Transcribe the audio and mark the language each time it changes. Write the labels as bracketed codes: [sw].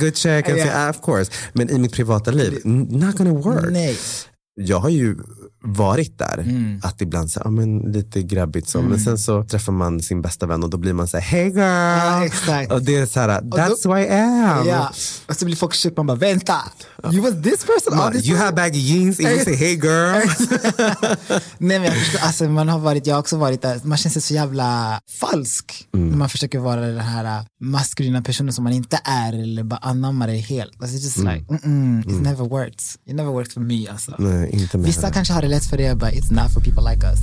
[en] Good check, of course. [sv] Men i mitt privata liv, [en] not gonna work. [sv] Nej. Jag har ju varit där. Mm. Att ibland så, ah, men lite grabbigt så. Mm. Men sen så träffar man sin bästa vän och då blir man så här, [en] hey girl! [sv] Ja, exakt. Och det är så här, [en] that's who I am! [sv] Ja. Och så blir folk shit, man bara, vänta! [en] You was this person? Man, this you have baggy jeans and you say, hey girl! [sv] Nej, men jag förstår, alltså, man har varit, jag har också varit där, man känns sig så jävla falsk. Mm. När man försöker vara den här maskulina personen som man inte är eller bara anammar det helt. [en] Alltså, it's just like, it never works. It never works for me, alltså. [sv] Nej, inte med vissa här. Kanske har det lätt för det, [en] but it's not for people like us.